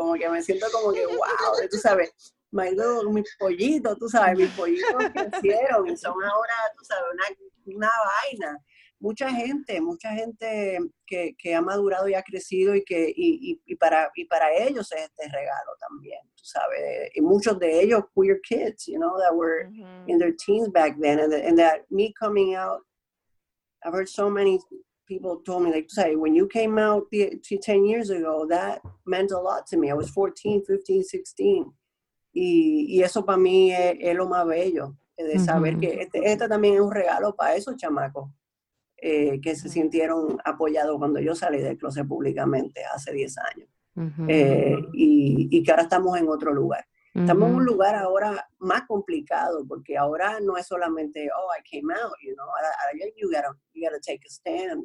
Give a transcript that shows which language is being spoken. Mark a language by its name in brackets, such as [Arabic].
[Spanish] Como que me siento como que, wow, tú sabes, [English] my little, [Spanish] mis pollitos, tú sabes, mis pollitos crecieron y son ahora, tú sabes, una vaina. Mucha gente que ha madurado y ha crecido y para ellos es este regalo también, tú sabes. Y muchos de ellos, [English] queer kids, you know, that were in their teens back then. And that me coming out, I've heard so many people told me, like, [Spanish] tú sabes, [English] when you came out 10 years ago, that meant a lot to me. I was 14, 15, 16. [Spanish] Y eso para mí es lo más bello, de saber que este también es un regalo para esos chamacos. Que se sintieron apoyados cuando yo salí del closet públicamente hace 10 años. Y que ahora estamos en otro lugar. Estamos en un lugar ahora más complicado, porque ahora no es solamente, [English] oh, I came out, you know, [Spanish] ahora [English] you gotta take a stand.